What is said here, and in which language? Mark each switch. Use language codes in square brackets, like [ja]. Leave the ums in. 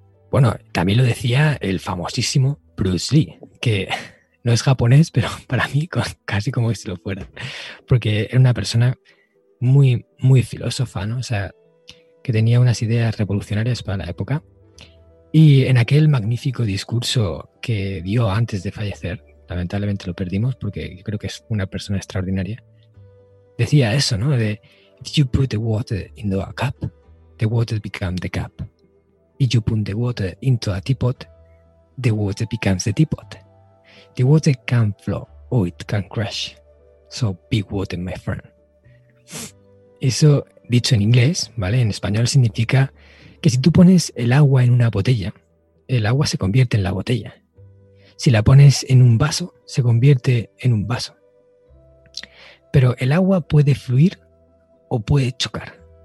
[es] Bueno, también lo decía el famosísimo Bruce Lee, que no es japonés, pero para mí con, casi como si lo fuera, porque era una persona muy, muy filósofa, ¿no? O sea, que tenía unas ideas revolucionarias para la época. Y en aquel magnífico discurso que dio antes de fallecer, lamentablemente lo perdimos porque yo creo que es una persona extraordinaria, decía eso, ¿no? De, [en] If you put the water in the cup, the water becomes the cup if you put the water into a teapot, the water becomes a teapot. The water can flow or it can crash. So big water, my friend. [es] Eso dicho en inglés, ¿vale? En español significa que si tú pones el agua en una botella, el agua se convierte en la botella. Si la pones en un vaso, se convierte en un vaso. Pero el agua puede fluir o puede chocar.